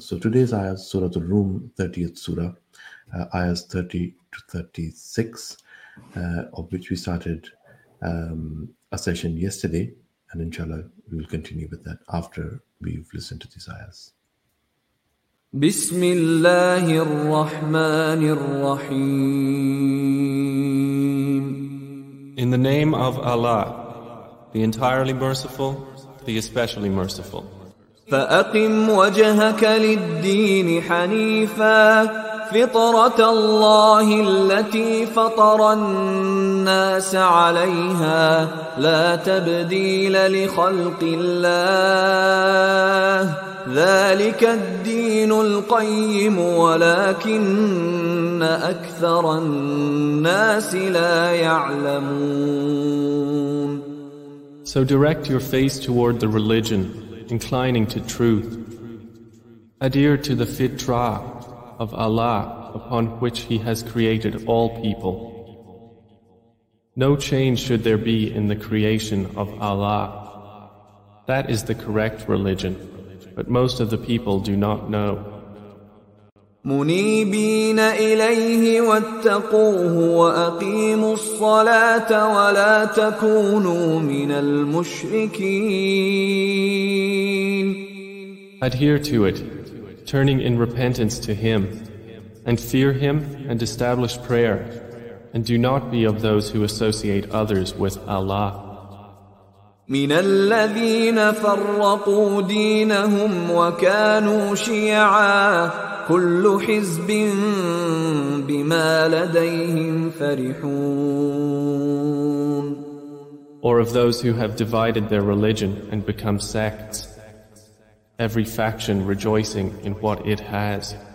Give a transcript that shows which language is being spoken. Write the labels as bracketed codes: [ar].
[en] So today's ayahs, Surah Al-Rum, 30th surah, ayahs 30 to 36, of which we started a session yesterday, and inshallah we will continue with that after we've listened to these ayahs. [ar] بسم الله الرحمن الرحيم. [en] In the name of Allah, the entirely merciful, the especially merciful. [ar] فأقم وجهك للدين حنيفا فطرة الله التي فطر الناس عليها لا تبديل لخلق الله ذلك الدين القيم ولكن أكثر الناس لا يعلمون. [en] So direct your face toward the religion, inclining to truth. Adhere to the fitrah of Allah upon which He has created all people. No change should there be in the creation of Allah. That is the correct religion. But most of the people do not know. [ar] منيبين إليه واتقوه وأقيموا الصلاة ولا تكونوا من المشركين. [en] Adhere to it, turning in repentance to Him, and fear Him and establish prayer, and do not be of those who associate others with Allah. [ar] من الذين فرقوا دينهم وكانوا شيعا كل حزب بما لديهم فرحون. [en] Or of those who have divided their religion and become sects, every faction rejoicing in what it has.